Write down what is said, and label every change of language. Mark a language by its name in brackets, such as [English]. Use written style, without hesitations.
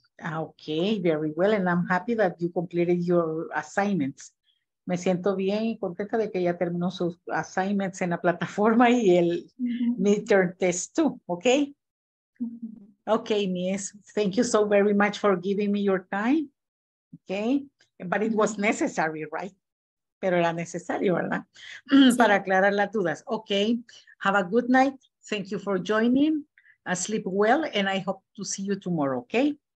[English] Okay, very well, and I'm happy that you completed your assignments. [Spanish] Me siento bien y contenta de que ya terminó sus assignments en la plataforma y el midterm test too, okay? [English] Okay, miss, thank you so very much for giving me your time, okay? But it was necessary, right? [Spanish] Pero era necesario, ¿verdad? Sí. Para aclarar las dudas. [English] Okay, have a good night. Thank you for joining. Sleep well, and I hope to see you tomorrow, okay?